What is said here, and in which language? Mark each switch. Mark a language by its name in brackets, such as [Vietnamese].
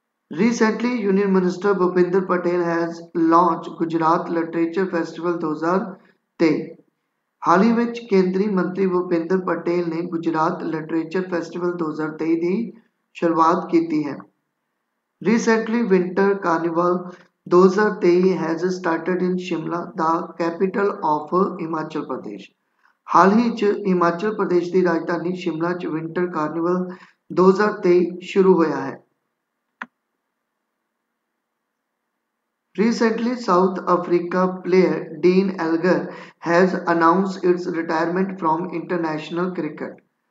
[English] Recently union minister Bhupinder Patel has launch Gujarat literature festival 2023। [Punjabi] ਹਾਲ ਹੀ ਵਿੱਚ ਕੇਂਦਰੀ ਮੰਤਰੀ ਭੁਪਿੰਦਰ ਪਟੇਲ ਨੇ ਗੁਜਰਾਤ ਲਿਟਰੇਚਰ ਫੈਸਟੀਵਲ 2023 ਦੀ ਸ਼ੁਰੂਆਤ ਕੀਤੀ ਹੈ। [English] Recently winter carnival 2023 has started in Shimla, the capital of Himachal Pradesh. [Punjabi] ਹਾਲ ਹੀ 'ਚ ਹਿਮਾਚਲ ਪ੍ਰਦੇਸ਼ ਦੀ ਰਾਜਧਾਨੀ ਸ਼ਿਮਲਾ 'ਚ ਵਿੰਟਰ ਕਾਰਨੀਵਲ 2023 ਸ਼ੁਰੂ ਹੋਇਆ ਹੈ। [English] Recently South Africa player Dean Elgar has announce its retirement from international cricket.